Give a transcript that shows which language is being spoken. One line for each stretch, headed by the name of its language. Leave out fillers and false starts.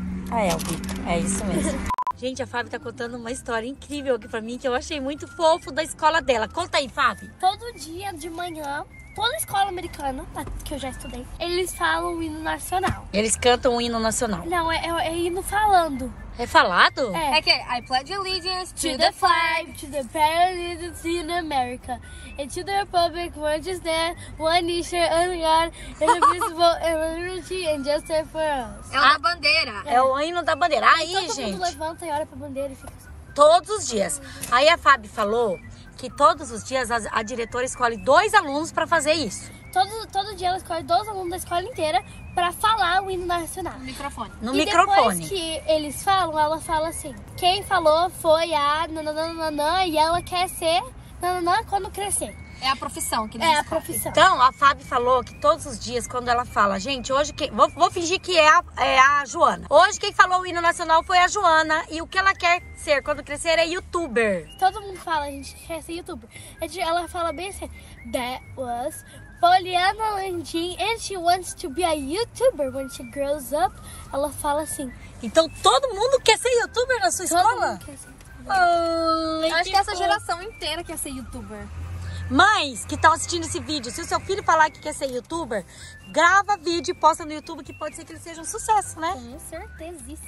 Portuguese: Ah, é o bico. É isso mesmo. Gente, a Fábio tá contando uma história incrível aqui pra mim, que eu achei muito fofo da escola dela. Conta aí, Fábio. Todo dia de manhã, toda escola americana, que eu já estudei, eles falam o hino nacional. Eles cantam o hino nacional. Não, é hino falando. É falado? É que
English: I pledge allegiance to the flag, to the parents in America, and to the republic which is there, one nation under God, indivisible, and liberty and justice for us.
Portuguese: É o da bandeira. É o hino da bandeira. Aí, então, gente. Todo mundo levanta e olha pra bandeira e fica assim. Todos os dias. Aí a Fabi falou que todos os dias a diretora escolhe dois alunos pra fazer isso. Todo dia ela escolhe dois alunos da escola inteira pra falar o hino nacional. No microfone. No e microfone. Depois que eles falam, ela fala assim: quem falou foi a nananana e ela quer ser nananã quando crescer. É a profissão que eles escolhem. Profissão. Então, a Fábio falou que todos os dias, quando ela fala, gente, hoje quem. Vou fingir que é a Joana. Hoje quem falou o hino nacional foi a Joana. E o que ela quer ser quando crescer é youtuber. Todo mundo fala, a gente quer ser youtuber. Ela fala bem assim:
English: that was Poliana Landim, and she wants to be a youtuber when she grows up.
Portuguese: Ela fala assim. Então todo mundo quer ser youtuber na sua todo escola? Mundo quer ser youtuber. Oh, acho que essa geração inteira quer ser youtuber. Mães que estão assistindo esse vídeo, se o seu filho falar que quer ser youtuber, grava vídeo e posta no YouTube, que pode ser que ele seja um sucesso, né? Com certeza.